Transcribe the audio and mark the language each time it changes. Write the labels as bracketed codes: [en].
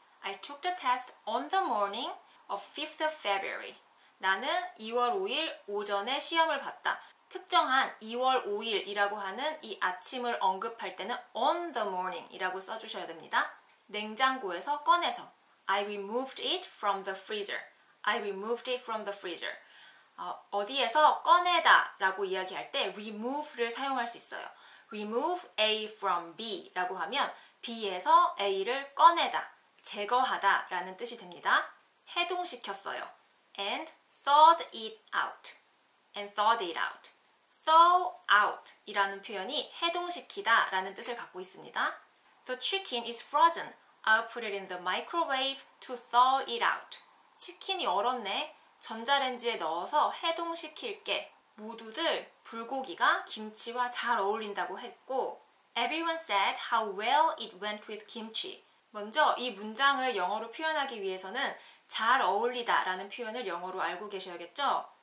[en] I took the test on the morning of 5th of February. [ko] 나는 2월 5일 오전에 시험을 봤다. 특정한 2월 5일이라고 하는 이 아침을 언급할 때는 [en] on the morning [ko] 이라고 써주셔야 됩니다. 냉장고에서 꺼내서 [en] I removed it from the freezer. I removed it from the freezer. [ko] 어디에서 꺼내다 라고 이야기할 때 remove를 사용할 수 있어요. [en] remove A from B [ko] 라고 하면 B에서 A를 꺼내다, 제거하다 라는 뜻이 됩니다. 해동시켰어요. [en] And thawed it out. And thawed it out. Thaw out [ko] 이라는 표현이 해동시키다 라는 뜻을 갖고 있습니다. [en] The chicken is frozen. I'll put it in the microwave to thaw it out. [ko] 치킨이 얼었네. 전자레인지에 넣어서 해동시킬게. 모두들 불고기가 김치와 잘 어울린다고 했고 [en] Everyone said how well it went with kimchi. [ko] 먼저 이 문장을 영어로 표현하기 위해서는 잘 어울리다 라는 표현을 영어로 알고 계셔야겠죠?